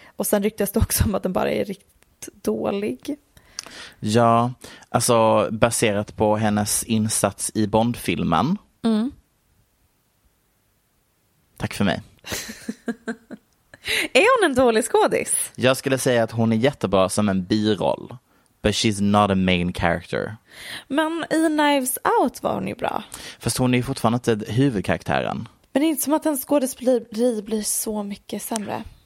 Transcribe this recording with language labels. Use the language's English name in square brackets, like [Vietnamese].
[Swedish] Och sen ryktas det också om att den bara är riktigt dålig. Ja, alltså baserat på hennes insats i Bond-filmen. Mm. Tack för mig. Är hon en dålig skådis? Jag skulle säga att hon är jättebra som en biroll. [English] But she's not a main character. [Swedish] Men i Knives Out var hon ju bra. Fast hon är ju fortfarande inte huvudkaraktären. Men det är inte som att en skådespeleri blir så mycket sämre.